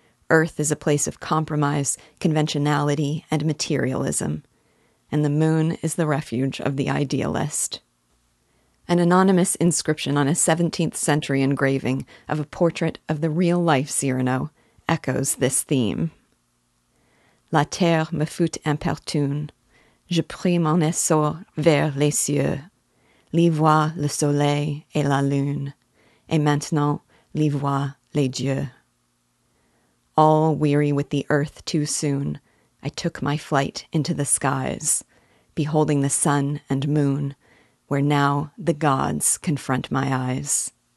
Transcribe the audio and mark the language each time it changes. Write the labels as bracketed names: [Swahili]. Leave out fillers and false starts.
[English] Earth is a place of compromise, conventionality, and materialism. And the moon is the refuge of the idealist. An anonymous inscription on a 17th century engraving of a portrait of the real-life Cyrano echoes this theme. [French] "La terre me fut importune. Je pris mon essor vers les cieux. L'y voit le soleil et la lune. Et maintenant l'y voit les dieux." [English] All weary with the earth too soon, I took my flight into the skies, beholding the sun and moon, where now the gods confront my eyes.